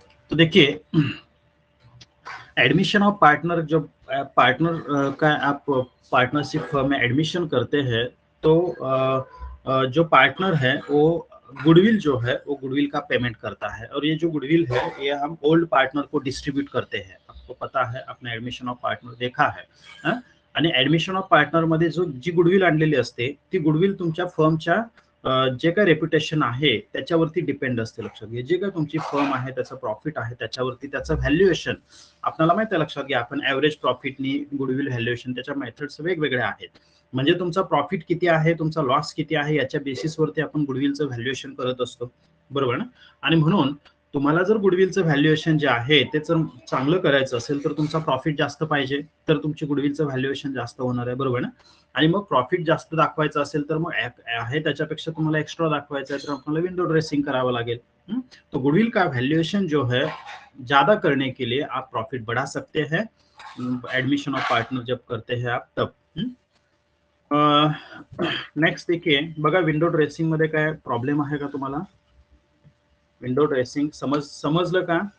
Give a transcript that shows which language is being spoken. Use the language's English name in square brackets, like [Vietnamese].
[Hindi] तो देखिए admission of partner, जो पार्टनर का आप पार्टनरशिप फर्म में एडमिशन करते हैं तो जो पार्टनर है वो गुडविल जो है वो गुडविल का पेमेंट करता है, और ये जो गुडविल है ये हम ओल्ड पार्टनर को डिस्ट्रीब्यूट करते हैं। आपको पता है, आपने एडमिशन ऑफ पार्टनर देखा है, [Marathi] आणि एडमिशन ऑफ पार्टनर मध्ये जो जी गुडविल आणलेली असते ती गुडविल तुमच्या फर्मच्या जे काही रेप्युटेशन आहे त्याच्यावरती डिपेंड असते, लक्षात घ्या। जे काही तुमची फर्म आहे त्याचं प्रॉफिट आहे त्याच्यावरती त्याचं व्हॅल्युएशन, आपल्याला माहिती आहे, लक्षात घ्या, आपण ॲव्हरेज प्रॉफिटनी गुडविल व्हॅल्युएशन त्याच्या मेथड्स वेगवेगळ्या आहेत, म्हणजे तुमचा प्रॉफिट किती आहे, तुमचा लॉस किती आहे, याच्या बेसिसवरती आपण गुडविलचं व्हॅल्युएशन करत असतो, बरोबर ना? आणि म्हणून तुम्हाला जर गुडविलचं व्हॅल्युएशन जे आहे ते जर चांगलं करायचं असेल तर तुमचा प्रॉफिट जास्त पाहिजे, तर तुमची गुडविलचं व्हॅल्युएशन जास्त होणार आहे, बरोबर ना? आणि मग प्रॉफिट जास्त दाखवायचं असेल तर मग आहे त्याच्यापेक्षा तुम्हाला एक्स्ट्रा दाखवायचं आहे तर आपल्याला विंडो ड्रेसिंग करावं लागेल। [Hindi] तो गुडविल का व्हॅल्युएशन जो है ज्यादा करने के लिए आप प्रॉफिट बढ़ा सकते हैं एडमिशन ऑफ पार्टनर जब करते हैं आप तब। नेक्स्ट देखिए, [Marathi] बघा विंडो ड्रेसिंग मध्ये काय प्रॉब्लेम आहे का तुम्हाला, विंडो ड्रेसिंग समजलं का?